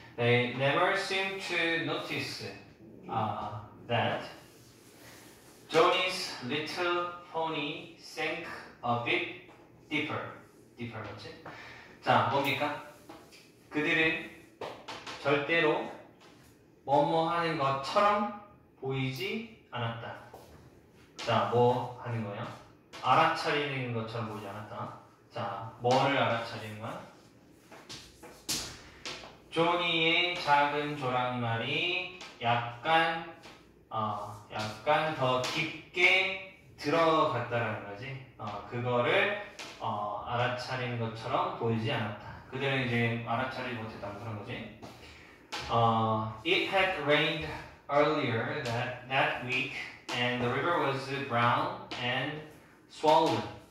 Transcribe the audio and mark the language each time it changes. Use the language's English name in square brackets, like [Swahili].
[English] They never seem to notice that Johnny's little pony sank a bit deeper. [Korean] Deeper, 맞지? 자, 뭡니까? 그들은 절대로 뭐뭐 하는 것처럼 보이지 않았다. 자, 뭐 하는 거예요? 알아차리는 것처럼 보이지 않았다. 자, 뭐를 알아차리는 거야? 조니의 작은 조랑말이 약간 더 깊게 들어갔다라는 거지. 그거를 알아차리는 것처럼 보이지 않았다. 그들은 이제 알아차리지 못했다 그런 거지. [English] It had rained earlier that week, and the river was brown and swollen.